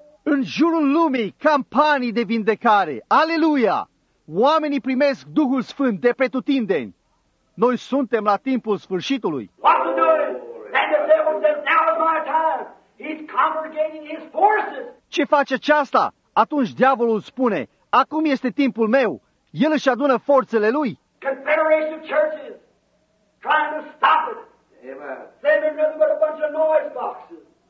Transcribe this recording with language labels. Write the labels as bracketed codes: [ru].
[ro] În jurul lumii, campanii de vindecare. Aleluia! Oamenii primesc Duhul Sfânt de pretutindeni. Noi suntem la timpul sfârșitului. [en] What to do? And the devil says, now is my time. He's congregating his forces. [ro] Ce face aceasta? Atunci diavolul spune, acum este timpul meu. El își adună forțele lui. [en] Confederation of churches trying to stop it. Amen. They're nothing but a bunch of noise boxes.